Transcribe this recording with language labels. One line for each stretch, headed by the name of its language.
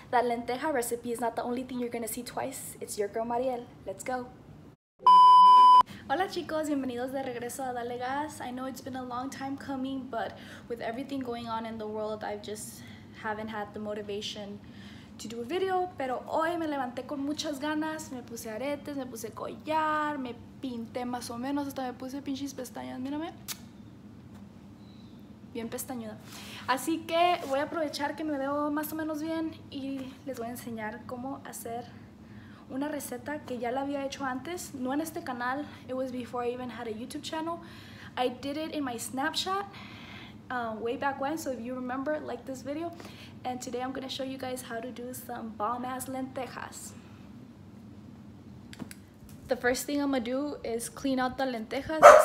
English: That lenteja recipe is not the only thing you're gonna see twice. It's your girl Mariel. Let's go.
Spanish: Hola chicos, bienvenidos de regreso a Dale Gas.
English: I know it's been a long time coming, but with everything going on in the world, I just haven't had the motivation to do a video.
Spanish: Pero hoy me levanté con muchas ganas. Me puse aretes, me puse collar, me pinté más o menos, hasta me puse pinches pestañas. Mírame. Bien pestañuda. Así que voy a aprovechar que me veo más o menos bien y les voy a enseñar cómo hacer una receta que ya la había hecho antes, no en este canal.
English: It was before I even had a YouTube channel. I did it in my Snapchat way back when, so if you remember, like this video. And today I'm going to show you guys how to do some bomb ass lentejas. The first thing I'm going to do is clean out the lentejas.